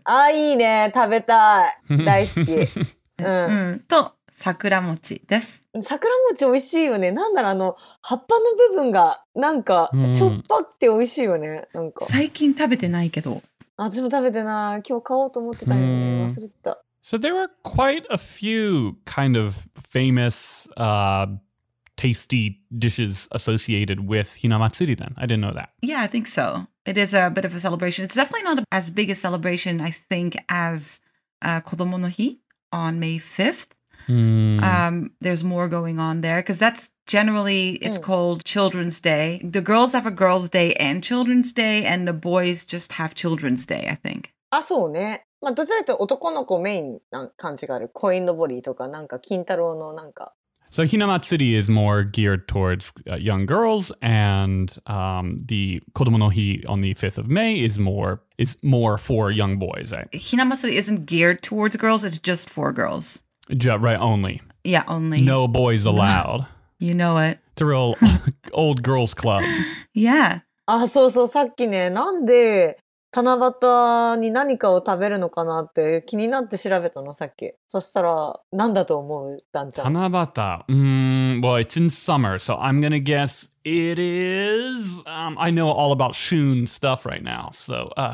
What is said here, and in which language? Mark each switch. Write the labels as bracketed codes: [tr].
[ja] あ、いいね。食べたい。大好き。うん、うん。と、桜餅です。桜餅美味しいよね。なんならあの、葉っぱの部分がなんかしょっぱくて美味しいよね。なんか。最近食べてないけど。私も食べてな。今日買おうと思ってたのに忘れてた。 [en] So there are quite a few kind of famous, tasty dishes associated with Hinamatsuri then. I didn't know that. Yeah, I think so. It is a bit of a celebration. It's definitely not as big a celebration, I think, as Kodomo no Hi on May 5th. There's more going on there because that's generally it's called Children's Day. The girls have a girls' day and children's day, and the boys just have children's day, I think. [ja] あ、そうね。まあ、どちらかというと男の子メインな感じがある。こいのぼりとか、なんか金太郎のなんか。 [en] So Hinamatsuri is more geared towards young girls, and the Kodomo no Hi on the 5th of May is more for young boys, right? Hinamatsuri isn't geared towards girls, it's just for girls. Yeah, right, only. Yeah, only. No boys allowed. You know it. It's a real old girls club. Yeah. [ja] あ、そうそう、さっきね、なんで七夕に何かを食べるのかなって気になって調べたの、さっき。そしたら、何だと思う、ダンちゃん。七夕。 [en] Well, it's in summer, so I'm gonna guess it is... I know all about shun stuff right now, so...